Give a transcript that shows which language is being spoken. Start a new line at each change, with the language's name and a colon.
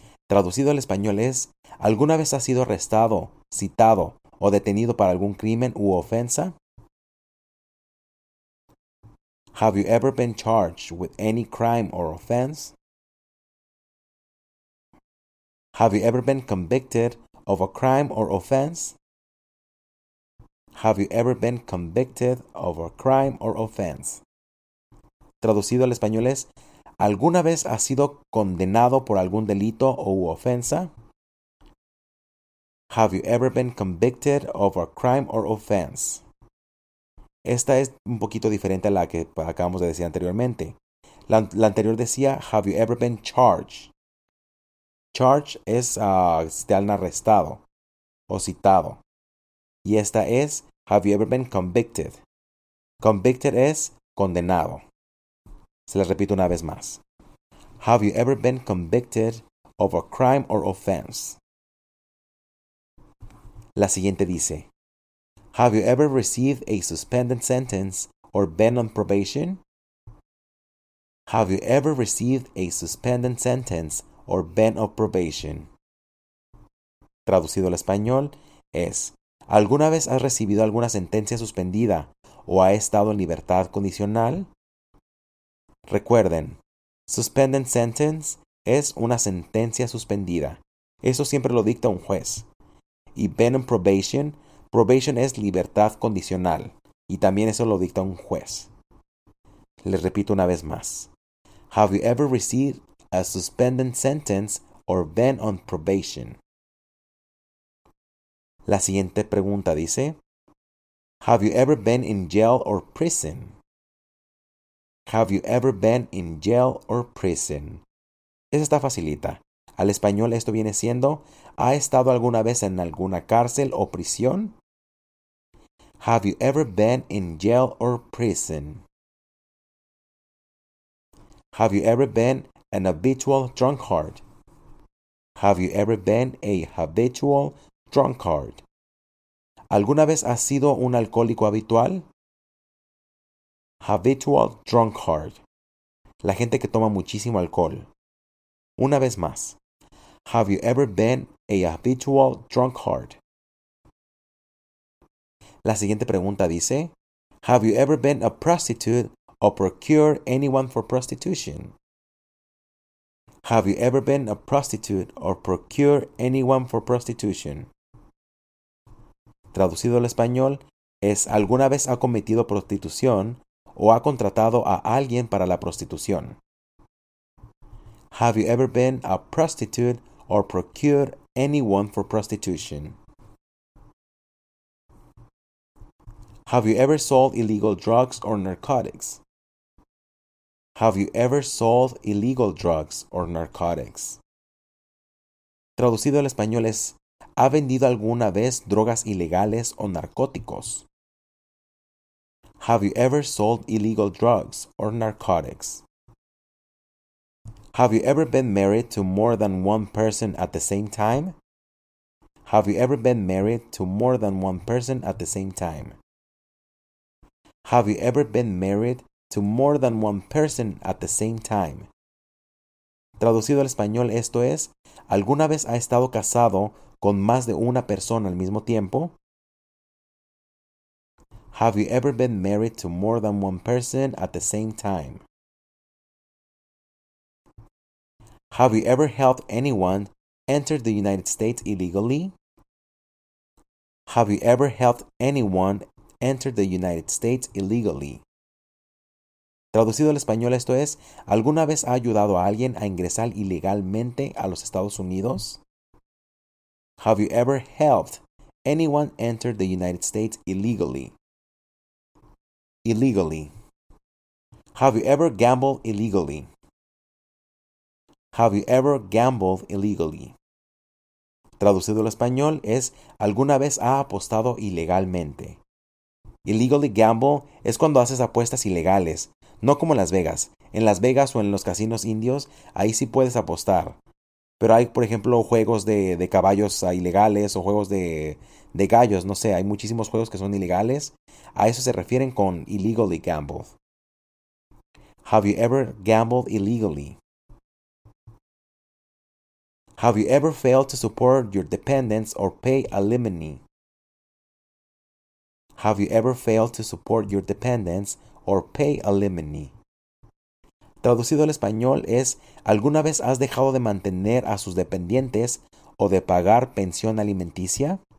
Spanish: Traducido al español es, ¿alguna vez has sido arrestado, citado o detenido para algún crimen u ofensa?
English: Have you ever been charged with any crime or offense? Have you ever been convicted of a crime or offense? Have you ever been convicted of a crime or offense?
Spanish: Traducido al español es, ¿alguna vez has sido condenado por algún delito u ofensa?
English: Have you ever been convicted of a crime or offense?
Spanish: Esta es un poquito diferente a la que acabamos de decir anteriormente. La anterior decía,
English: Have you ever been charged?
Spanish: Charge es si te han arrestado o citado. Y esta es,
English: Have you ever been convicted?
Spanish: Convicted es condenado. Se las repito una vez más.
English: Have you ever been convicted of a crime or offense?
Spanish: La siguiente dice,
English: Have you ever received a suspended sentence or been on probation? Have you ever received a suspended sentence or been on probation?
Spanish: Traducido al español es, ¿alguna vez has recibido alguna sentencia suspendida o ha estado en libertad condicional? Recuerden,
English: suspended sentence
Spanish: es una sentencia suspendida. Eso siempre lo dicta un juez. Y
English: been on probation,
Spanish: probation es libertad condicional. Y también eso lo dicta un juez. Les repito una vez más.
English: Have you ever received a suspended sentence or been on probation?
Spanish: La siguiente pregunta dice,
English: Have you ever been in jail or prison? Have you ever been in jail or prison?
Spanish: Esa está facilita. Al español esto viene siendo, ¿ha estado alguna vez en alguna cárcel o prisión?
English: Have you ever been in jail or prison? Have you ever been an habitual drunkard? Have you ever been a habitual drunkard?
Spanish: ¿Alguna vez has sido un alcohólico habitual?
English: Habitual drunkard.
Spanish: La gente que toma muchísimo alcohol. Una vez más.
English: Have you ever been a habitual drunkard?
Spanish: La siguiente pregunta dice,
English: Have you ever been a prostitute or procured anyone for prostitution? Have you ever been a prostitute or procured anyone for prostitution?
Spanish: Traducido al español es, ¿alguna vez ha cometido prostitución o ha contratado a alguien para la prostitución?
English: Have you ever been a prostitute or procured anyone for prostitution? Have you ever sold illegal drugs or narcotics? Have you ever sold illegal drugs or narcotics?
Spanish: Traducido al español es, ¿ha vendido alguna vez drogas ilegales o narcóticos?
English: Have you ever sold illegal drugs or narcotics? Have you ever been married to more than one person at the same time? Have you ever been married to more than one person at the same time? Have you ever been married to more than one person at the same time?
Spanish: Traducido al español, esto es, ¿alguna vez ha estado casado con más de una persona al mismo tiempo?
English: Have you ever been married to more than one person at the same time? Have you ever helped anyone enter the United States illegally? Have you ever helped anyone enter the United States illegally?
Spanish: Traducido al español, esto es, ¿alguna vez ha ayudado a alguien a ingresar ilegalmente a los Estados Unidos?
English: Have you ever helped anyone enter the United States illegally? Illegally. Have you ever gambled illegally? Have you ever gambled illegally?
Spanish: Traducido al español es ¿alguna vez ha apostado ilegalmente?
English: Illegally gamble
Spanish: es cuando haces apuestas ilegales, no como en Las Vegas. En Las Vegas o en los casinos indios, ahí sí puedes apostar. Pero hay, por ejemplo, juegos de caballos ilegales o juegos de gallos, no sé, hay muchísimos juegos que son ilegales. A eso se refieren con
English: illegally gambled. Have you ever gambled illegally? Have you ever failed to support your dependents or pay alimony? Have you ever failed to support your dependents or pay alimony?
Spanish: Traducido al español es ¿alguna vez has dejado de mantener a sus dependientes o de pagar pensión alimenticia?